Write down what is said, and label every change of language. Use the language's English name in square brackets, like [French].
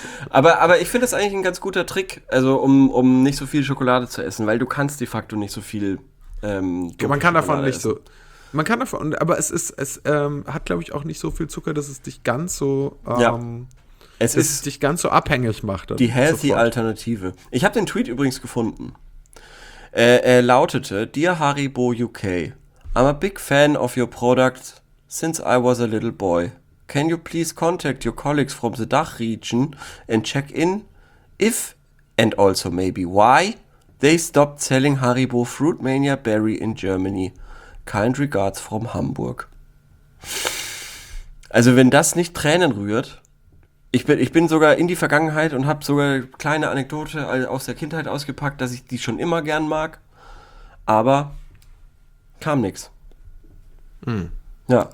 [German] aber ich finde das eigentlich ein ganz guter Trick, also um nicht so viel Schokolade zu essen, weil du kannst de facto nicht so viel Man kann davon, aber es hat, glaube ich, auch nicht so viel Zucker, dass es dich ganz so es dich ganz so abhängig macht. Die healthy sofort. Alternative. Ich habe den Tweet übrigens gefunden. Er lautete: [English] Dear Haribo UK, I'm a big fan of your product since I was a little boy. Can you please contact your colleagues from the Dach region and check in if and also maybe why they stopped selling Haribo Fruit Mania Berry in Germany? Kind regards from Hamburg. [German] Also wenn das nicht Tränen rührt, ich bin sogar in die Vergangenheit und habe sogar kleine Anekdote aus der Kindheit ausgepackt, dass ich die schon immer gern mag, aber kam nix. Ja.